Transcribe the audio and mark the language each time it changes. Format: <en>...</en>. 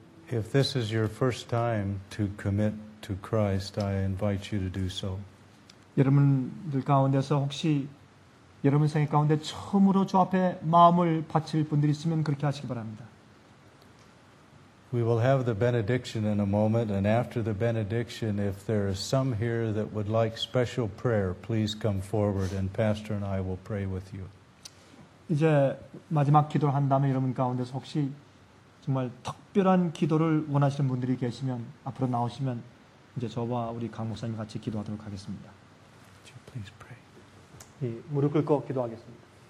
<en>If this is your first time to commit to Christ, I invite you to do so.</en> <ko>여러분들 가운데서 혹시 여러분 생애 가운데 처음으로 주 앞에 마음을 바칠 분들이 있으면 그렇게 하시기 바랍니다.</ko> <en>We will have the benediction in a moment, and after the benediction, if there is some here that would like special prayer, please come forward, and Pastor and I will pray with you.</en> <ko>이제 마지막 기도를 한 다음에 여러분 가운데서 혹시 정말 특별한 기도를 원하시는 분들이 계시면 앞으로 나오시면 이제 저와 우리 강 목사님 같이 기도하도록 하겠습니다.</ko> <en>Would you please pray?</en> <ko>예, 무릎 꿇고 기도하겠습니다.</ko>